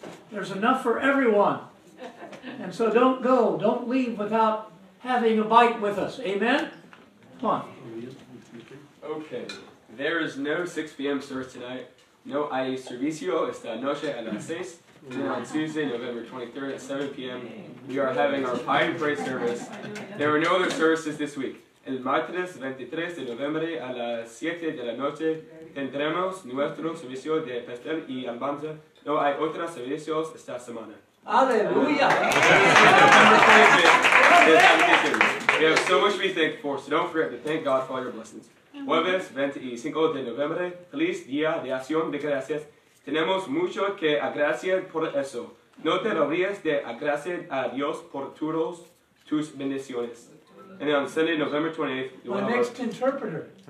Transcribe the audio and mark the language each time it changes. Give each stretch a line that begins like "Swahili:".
English: There's enough for everyone. And so don't go, don't leave without having a bite with us. Amen? Come on. Okay. There is no 6 p.m. service tonight.
Spanish: No hay servicio esta noche a las 6.
English: And on Tuesday, November 23rd at 7 p.m., we are having our Pine Praise service. There are no other services this week.
Spanish: El martes 23 de noviembre a las 7 de la noche tendremos nuestro servicio de pastel y alabanza. No hay otros servicios esta semana. Aleluya.
English: We have so much to be thankful for, so don't forget to thank God for all your blessings.
Spanish: Jueves 25 de noviembre, feliz día de acción de gracias. Tenemos mucho que agradecer por eso. No te olvides de agradecer a Dios por todos tus bendiciones.
English: And then on Sunday, November 28th, you will have our next interpreter.